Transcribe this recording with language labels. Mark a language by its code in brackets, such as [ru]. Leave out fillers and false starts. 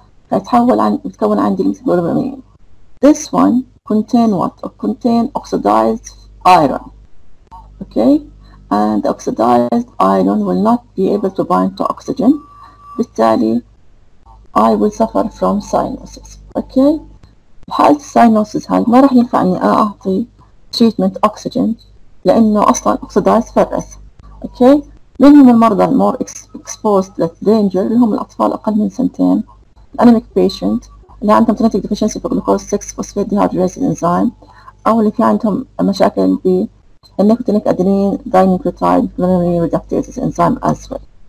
[ar] فيتحول عن بتكون عندي الميثيوبرامين. [en] This one contain what? Or contain oxidized iron. Okay, and the oxidized iron will not be able to bind to oxygen. بالتالي I will suffer from cyanosis. [ar] Okay, حالة cyanosis هل ما راح ينفعني أنا أعطي treatment oxygen لأنه أصلا oxidized فرس. Okay, من هم المرضى المور [en] exposed to danger [ar] اللي هم الأطفال أقل من سنتين anemic patient اللي عندهم genetic deficiency في glucose 6 phosphate dehydrogenase enzyme أو اللي في عندهم مشاكل ب النيكوتينيك أدرين dinucleotide glutamine reductase enzyme as well.